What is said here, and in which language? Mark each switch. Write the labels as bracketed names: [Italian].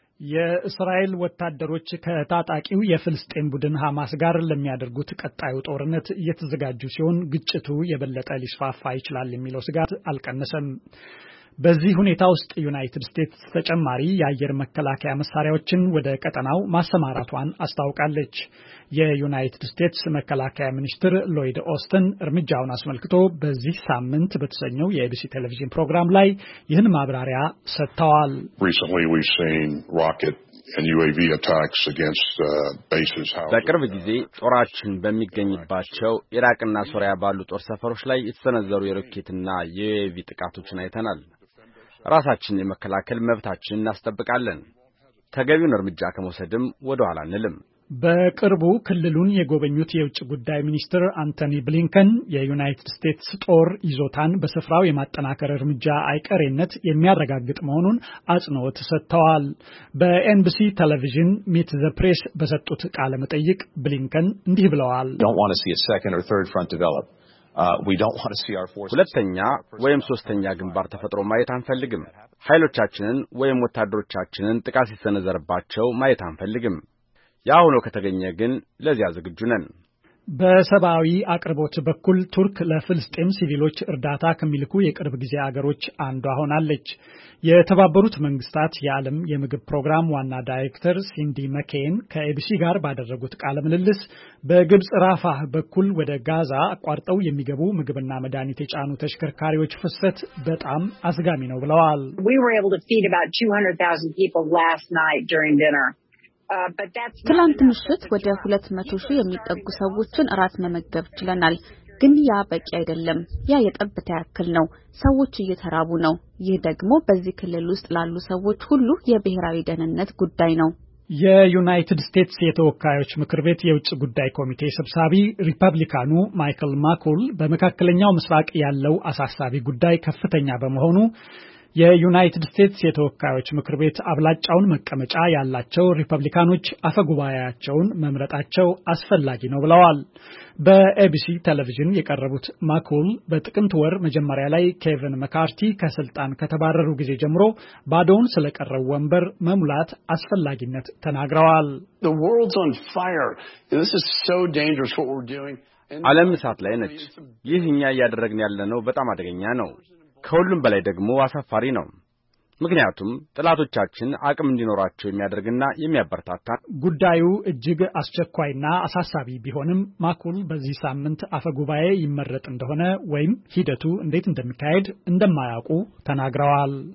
[Amharic] የእስራኤል ወታደሮች ከታጣቂው የፍልስጤም ቡድን ሐማስ ጋር ለሚያደርጉት ቀጣዩ ጦርነት እየተዘጋጁ ሲሆን ግጭቱ የበለጠ ሊስፋፋ ይችላል የሚለው ስጋት አልቀነሰም። በዚህ ሁኔታ ውስጥ ዩናይትድ ስቴትስ ተጨማሪ የአየር መከላከያ መሳሪያዎችን ወደ ቀጠናው ማሰማራቷን አስታውቃለች። የዩናይትድ ስቴትስ መከላከያ ሚኒስትር ሎይድ ኦስተን እርምጃውን አስመልክቶ በዚህ ሳምንት በተሰኘው የኤቢሲ ቴሌቪዥን ፕሮግራም ላይ ይህን ማብራሪያ ሰጥተዋል። [English] Recently we've seen rocket and UAV attacks against bases. [Amharic] በቅርብ ጊዜ ጦራችን በሚገኝባቸው ኢራቅና ሶሪያ ባሉ ጦር ሰፈሮች ላይ የተሰነዘሩ የሮኬትና የዩኤቪ ጥቃቶችን አይተናል። ራሳችን የመከላከል መብታችንን እናስጠብቃለን። ተገቢውን እርምጃ ከመውሰድም ወደ ኋላ አንልም። በቅርቡ ክልሉን የጎበኙት የውጭ ጉዳይ ሚኒስትር አንቶኒ ብሊንከን የዩናይትድ ስቴትስ ጦር ይዞታን በስፍራው የማጠናከር እርምጃ አይቀሬነት የሚያረጋግጥ መሆኑን አጽንኦት ሰጥተዋል። በኤንቢሲ ቴሌቪዥን ሚት ዘ ፕሬስ በሰጡት ቃለ መጠይቅ ብሊንከን እንዲህ ብለዋል። [English] Don't want to see a second or third front develop. We don't want to see our forces. [Amharic] ሁለተኛ ወይም ሶስተኛ ግንባር ተፈጥሮ ማየት አንፈልግም። ኃይሎቻችንን ወይም ወታደሮቻችንን ጥቃት ሲሰነዘርባቸው ማየት አንፈልግም። ያ ሆኖ ከተገኘ ግን ለዚያ ዝግጁ ነን። በሰባዊ አቅርቦት በኩል ቱርክ ለፍልስጤም ሲቪሎች እርዳታ ከመልኩ የቅርብ ጊዜ አገሮች አንዷ ሆናለች። የተባበሩት መንግስታት የዓለም የምግብ ፕሮግራም ዋና ዳይሬክተር ሲንዲ መኬን ከኤቢሲ ጋር ባደረጉት ቃለ ምልልስ በግብጽ ራፋህ በኩል ወደ ጋዛ አቋርጠው የሚገቡ ምግብና መድኃኒት የጫኑ ተሽከርካሪዎች ፍሰት በጣም አስጋሚ ነው ብለዋል። [English] We were able to feed about 200,000 people last night during dinner. [Amharic] ትላንት ምሽት ወደ 200,000 የሚጠጉ ሰዎችን እራት መመገብ ችለናል። ግን ያ በቂ አይደለም። ያ የጠብታ ያክል ነው። ሰዎች እየተራቡ ነው። ይህ ደግሞ በዚህ ክልል ውስጥ ላሉ ሰዎች ሁሉ የብሔራዊ ደህንነት ጉዳይ ነው። የዩናይትድ ስቴትስ የተወካዮች ምክር ቤት የውጭ ጉዳይ ኮሚቴ ሰብሳቢ ሪፐብሊካኑ ማይክል ማኩል በመካከለኛው ምስራቅ ያለው አሳሳቢ ጉዳይ ከፍተኛ በመሆኑ የዩናይትድ ስቴትስ የተወካዮች ምክር ቤት አብላጫውን መቀመጫ ያላቸው ሪፐብሊካኖች አፈጉባኤያቸውን መምረጣቸው አስፈላጊ ነው ብለዋል። በኤቢሲ ቴሌቪዥን የቀረቡት ማኩል በጥቅምት ወር መጀመሪያ ላይ ኬቨን መካርቲ ከስልጣን ከተባረሩ ጊዜ ጀምሮ ባዶውን ስለቀረው ወንበር መሙላት አስፈላጊነት ተናግረዋል። [English] The world's on fire. This is so dangerous what we're doing. [Amharic] ዓለም እሳት ላይ ነች። ይህኛ ያደረግን ያለነው በጣም አደገኛ ነው። ከሁሉም በላይ ደግሞ አሳፋሪ ነው። ምክንያቱም ጥላቶቻችን አቅም እንዲኖራቸው የሚያደርግና የሚያበረታታ ጉዳዩ እጅግ አስቸኳይና አሳሳቢ ቢሆንም ማኩል በዚህ ሳምንት አፈጉባኤ ይመረጥ እንደሆነ ወይም ሂደቱ እንዴት እንደሚካሄድ እንደማያውቁ ተናግረዋል።